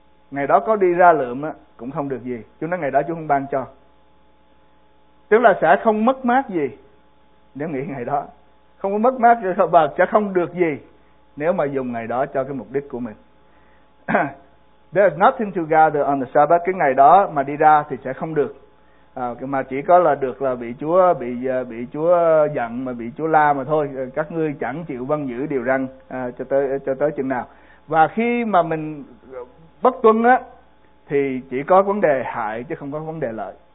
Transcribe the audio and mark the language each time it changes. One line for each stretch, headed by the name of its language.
Vietnamese: Ngày đó có đi ra lượm cũng không được gì. Chúa nói ngày đó Chúa không ban cho, tức là sẽ không mất mát gì nếu nghỉ ngày đó, không có mất mát và sẽ không được gì nếu mà dùng ngày đó cho cái mục đích của mình.
English: There's nothing to gather on the Sabbath.
Vietnamese: Cái ngày đó mà đi ra thì sẽ không được, mà chỉ có là được là bị Chúa giận, mà bị Chúa la mà thôi. Các ngươi chẳng chịu vâng giữ điều răn cho tới chừng nào. Và khi mà mình bất tuân á thì chỉ có vấn đề hại chứ không có vấn đề lợi.